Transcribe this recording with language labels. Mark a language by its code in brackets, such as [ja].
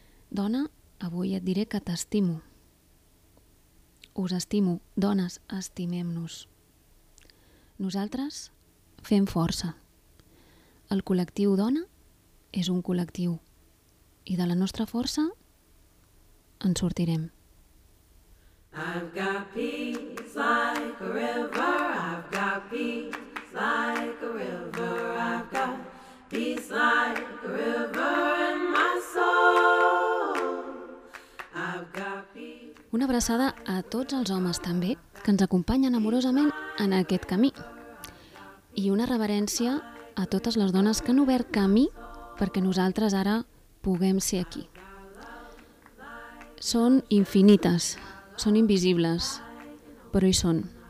[ca] Dona, avui et diré que t'estimo. Us estimo, dones, estimem-nos. Nosaltres fem força. El col·lectiu dona és un col·lectiu. I de la nostra força en sortirem. [en] I've got peace like a river. I've got peace like a river. I've got peace like a river in my soul. I've got peace. [ca] Una abraçada a tots els homes també que ens acompanyen amorosament en aquest camí. I una reverència a totes les dones que han obert camí perquè nosaltres ara puguem ser aquí. Són infinites, són invisibles, però hi són.